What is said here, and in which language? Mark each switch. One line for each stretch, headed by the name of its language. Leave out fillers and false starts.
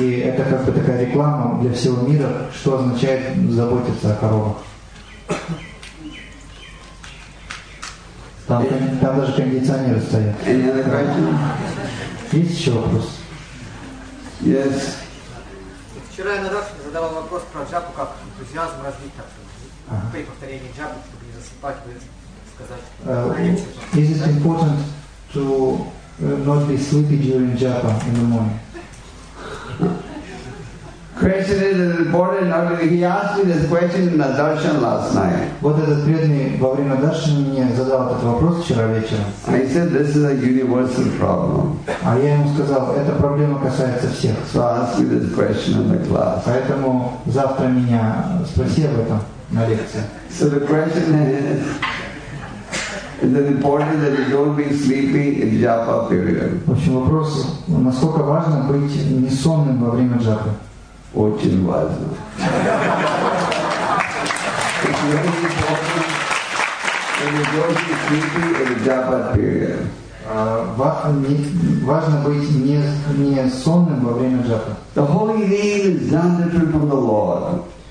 Russian: И это как бы такая реклама для всего мира, что означает заботиться о коровах. Там даже кондиционеры стоят.
English: Any other question?
Russian: Есть еще вопрос?
English: Yes.
Russian: Вчера я на Раше задавал вопрос про джапу, как энтузиазм развить, так при повторении джапы, чтобы не засыпать, сказать.
English: Is it important to not be sleepy during japa in the morning? Question is important. He asked me this question in the darshan last night.
Russian: Вот этот преданный во время даршана мне задал этот вопрос вчера вечером.
English: I said this is a universal problem.
Russian: А я ему сказал, эта проблема касается всех.
English: So ask me this question in the class.
Russian: Поэтому завтра меня спроси об этом на лекции.
English: So the question is, is it important that you don't be sleepy in japa period?
Russian: В общем, вопрос, насколько важно быть несонным во время джапы? Очень важно.
English: It's very important that you don't be sleepy in japa period.
Russian: Важно быть несонным во время джапы.
English: The holy name is not different from the Lord.